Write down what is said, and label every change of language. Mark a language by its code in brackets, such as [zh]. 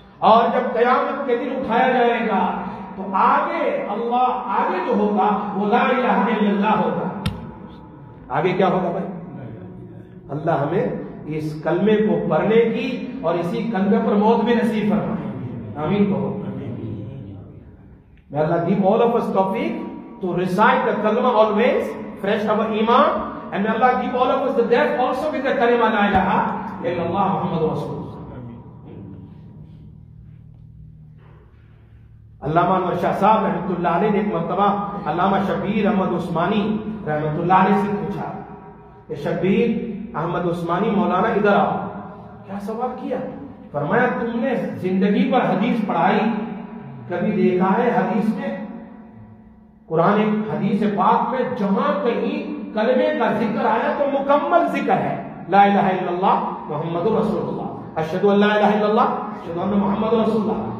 [ur] اور جب قیامت کے دن اٹھایا جائے گا تو آگے اللہ، آگے جو ہوگا وہ [ar] لا الہ الا اللہ [ur] ہوگا. آگے کیا ہوگا بھائی؟ اللہ ہمیں اس کلمے کو پڑھنے کی اور اسی کلمے پر موت بھی نصیب فرمائے. آمین کہو. [en] May Allah give all of us topic to recite the kalma always, fresh our iman, and may Allah give all of us the death also with the kalima [ar] la ilaha illallah Muhammad Rasul. [ur] علامہ نور شاہ صاحب رحمۃ اللہ علیہ نے ایک مرتبہ علامہ شبیر احمد عثمانی رحمۃ اللہ علیہ سے پوچھا کہ شبیر احمد عثمانی مولانا ادھر آؤ. کیا سوال کیا؟ فرمایا تم نے زندگی پر حدیث پڑھائی، کبھی دیکھا ہے حدیث میں، قرآن حدیث پاک میں جہاں کہیں کلمے کا ذکر آیا تو مکمل ذکر ہے، [ar] لا الہ الا اللہ محمد رسول اللہ، اشہد ان لا الہ الا اللہ اشہد ان محمد رسول اللہ.